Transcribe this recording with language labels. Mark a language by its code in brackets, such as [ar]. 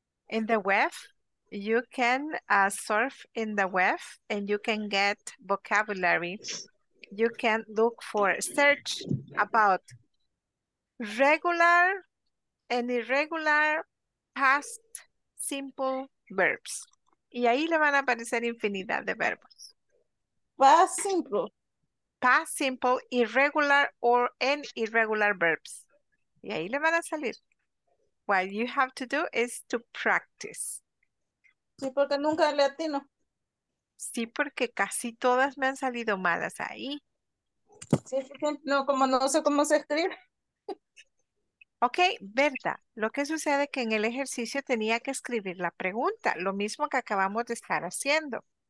[en] In the web, you can surf in the web and you can get vocabulary. You can look for, search about regular and irregular past simple verbs. [es] Y ahí le van a aparecer infinidad de verbos. [en] Past simple. Past simple, irregular, or and irregular verbs. [es] Y ahí le van a salir. [en] What you have to do is to practice. [es] Sí, porque nunca le atino. Sí, porque casi todas me han salido malas ahí. No, como no sé cómo se escribe. Ok, Berta, lo que sucede es que en el ejercicio tenía que escribir la pregunta, lo mismo que acabamos de estar haciendo.